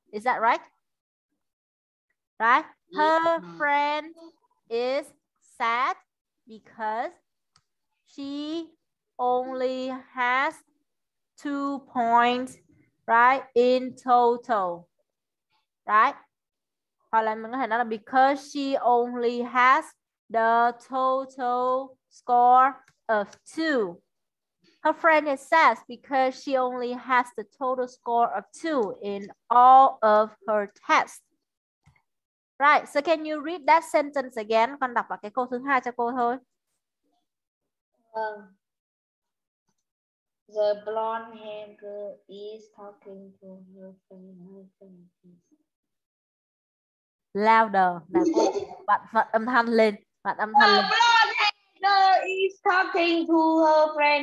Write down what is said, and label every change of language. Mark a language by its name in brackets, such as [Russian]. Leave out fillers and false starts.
[English] Is that right? Right? Her friend is sad because she only has 2 points, right, in total, right? [Vietnamese] Hoặc là mình có thể nói là [English] because she only has the total score of 2. Her friend is sad because she only has the total score of 2 in all of her tests. Right, so can you read that sentence again? [Vietnamese] Con đọc vào cái câu thứ hai cho cô thôi. [English] The blonde haired girl is talking to her friend. [Vietnamese] Louder, nè cô, bạn phát âm thanh lên, bạn âm thanh lên. [English] The blonde haired girl is talking to her friend.